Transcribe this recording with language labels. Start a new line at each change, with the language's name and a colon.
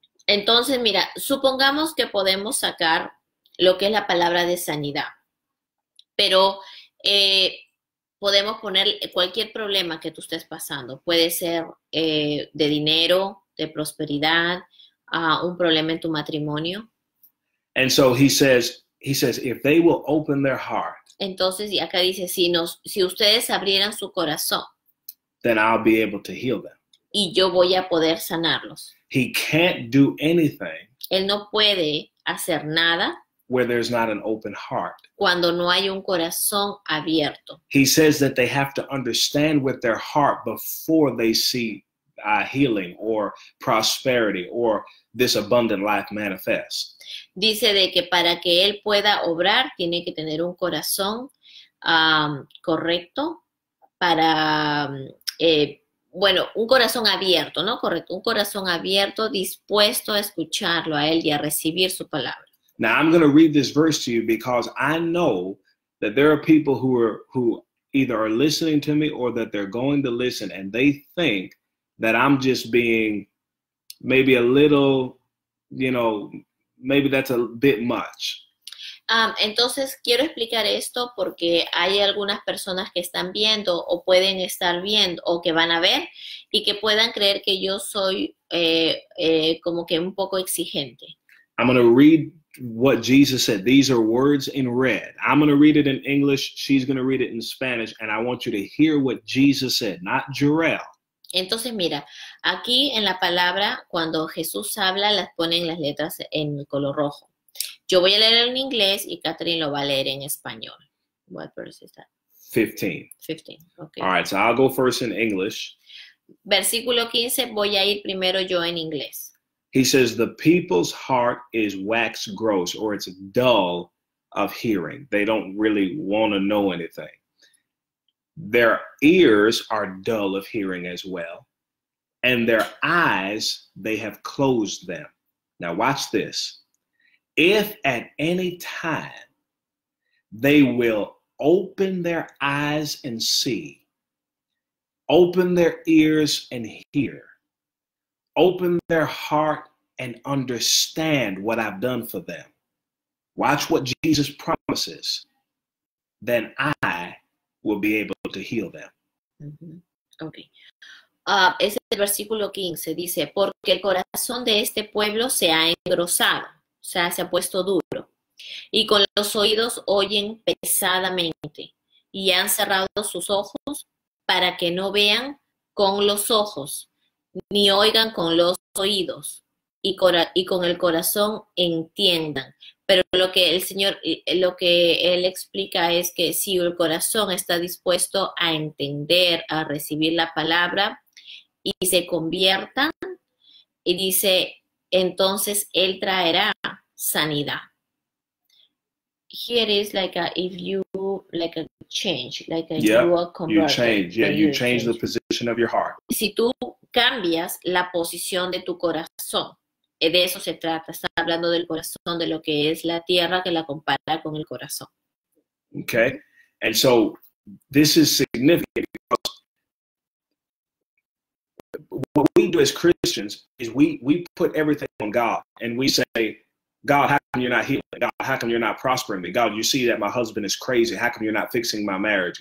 Spanish: Entonces, mira, supongamos que podemos sacar lo que es la palabra de sanidad, pero podemos poner cualquier problema que tú estés pasando. Puede ser de dinero, de prosperidad, un problema en tu matrimonio.
English: And so he says, if they will open their heart,
Spanish: Entonces, y acá dice, si ustedes abrieran su corazón,
English: then I'll be able to heal them.
Spanish: y yo voy a poder sanarlos.
English: He can't do anything
Spanish: Él no puede hacer nada
English: where there's not an open heart.
Spanish: cuando no hay un corazón abierto.
English: He says that they have to understand with their heart before they see healing or prosperity or this abundant life manifest.
Spanish: Dice de que para que él pueda obrar, tiene que tener un corazón correcto para bueno, un corazón abierto, ¿no? Correcto, un corazón abierto, dispuesto a escucharlo a él y a recibir su palabra.
English: Now I'm going to read this verse to you because I know that there are people who either are listening to me or that they're going to listen and they think that I'm just being maybe a little, you know, maybe that's a bit much.
Spanish: Entonces quiero explicar esto porque hay algunas personas que están viendo o pueden estar viendo o que van a ver y que puedan creer que yo soy como que un poco exigente.
English: I'm going to read what Jesus said. These are words in red. I'm going to read it in English. She's going to read it in Spanish. And I want you to hear what Jesus said, not Jarell.
Spanish: Entonces mira, aquí en la palabra, cuando Jesús habla, las ponen las letras en color rojo. Yo voy a leer en inglés y Catherine lo va a leer en español.
English: What verse is that? 15. 15, ok. All right, so I'll go first in English.
Spanish: Versículo 15, voy a ir primero yo en inglés.
English: He says, the people's heart is wax gross, or it's dull of hearing. They don't really want to know anything. Their ears are dull of hearing as well, and their eyes, they have closed them. Now watch this. If at any time they will open their eyes and see, open their ears and hear, open their heart and understand what I've done for them. Watch what Jesus promises. Then I will be able to heal them. Okay.
Spanish: Es el versículo 15, dice, porque el corazón de este pueblo se ha engrosado, o sea, se ha puesto duro, y con los oídos oyen pesadamente, y han cerrado sus ojos para que no vean con los ojos, ni oigan con los oídos, y con el corazón entiendan. Pero lo que el Señor, lo que él explica es que si el corazón está dispuesto a entender, a recibir la palabra y se convierta, y dice, entonces él traerá sanidad.
English: Here is like a, if you, like a change, like a you Yep, are you converted, change. Yeah, then you you change the change. position of your heart.
Spanish: Si tú cambias la posición de tu corazón, de eso se trata, está hablando del corazón, de lo que es la tierra que la compara con el corazón.
English: Okay, and so this is significant because what we do as Christians is we put everything on God and we say, God, how come you're not healing? God, how come you're not prospering me? God, you see that my husband is crazy. How come you're not fixing my marriage?